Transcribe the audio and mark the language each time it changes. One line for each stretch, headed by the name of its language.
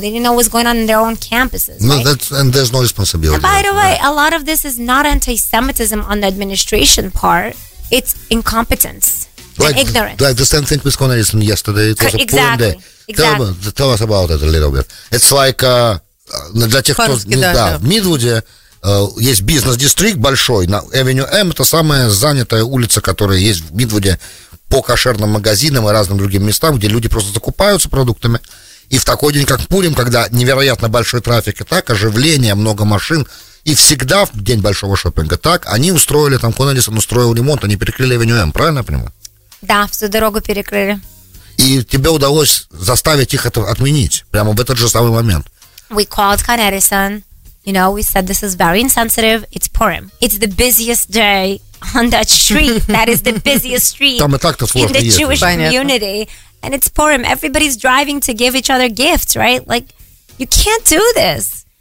English: They didn't know what was going on in their own campuses. No, right? And there's no responsibility. And by the way, a lot of this is not anti-Semitism on the administration part. It's incompetence. Like ignorance. Like the same thing with Con Edison yesterday. It was exactly. Tell us about it a little bit. It's like,
Russian: для тех, кто... Да, в Мидвуде есть бизнес-дистрикт большой. На Avenue M это самая занятая улица, которая есть в Мидвуде. По кошерным магазинам и разным другим местам, где люди просто закупаются продуктами. И в такой день, как Пурим, когда невероятно большой трафик и так, оживление, много машин, и всегда в день большого шопинга так, они устроили там, Con Edison устроил ремонт, они перекрыли Avenue M, правильно я понимаю? Да, всю дорогу перекрыли. И тебе удалось заставить их это отменить прямо в этот же самый момент.
English: We called Con Edison, you know, we said this is very insensitive, it's Purim. It's the busiest day. On that street, that is the busiest street in the Jewish community. And it's Purim. Everybody's driving to give each other gifts, right? Like, you can't do this.